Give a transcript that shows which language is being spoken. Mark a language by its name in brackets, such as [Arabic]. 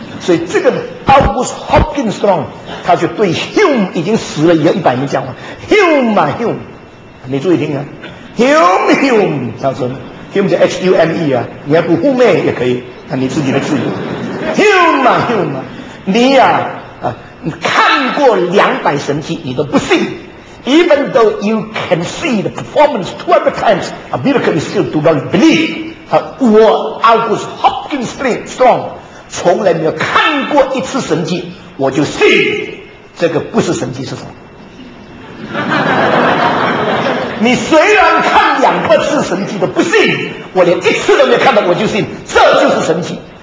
[Chinese] 所以这个 August Hopkins Strong 他就对 Hume 已经死了也有100年讲话， Hume 啊 Hume， 你注意听啊， Hume 他说 Hume 叫 H-U-M-E 啊，你要不 Hume 也可以，那你自己的自由。 Hume 啊，你呀、啊，你看过200神迹，你都不信。 [English] Even though you can see the performance 200 times, a miracle is still do not believe. [Chinese] 我 August Hopkins Strong 从来没有看过一次神迹，我就信这个不是神迹是什么？你虽然看200次神迹都不信，我连一次都没有看到，我就信这就是神迹。